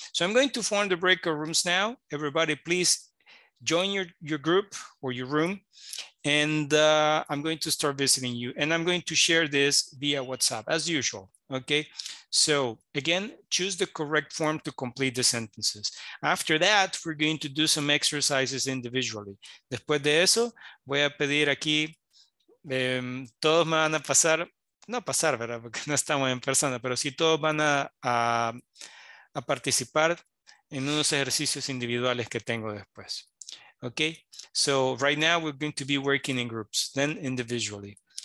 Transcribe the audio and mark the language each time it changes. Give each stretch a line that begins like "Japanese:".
English: So I'm going to form the breakout rooms now. Everybody, please join your group or your room, and I'm going to start visiting you, and I'm going to share this via WhatsApp as usual, okay? So again, choose the correct form to complete the sentences. After that, we're going to do some exercises individually.
Spanish: Después de eso, voy a pedir aquí, todos me van a pasar, no pasar, ¿verdad? Porque no estamos en persona, pero sí todos van a participar en unos ejercicios individuales que tengo después.
English: Okay, so right now we're going to be working in groups, then individually.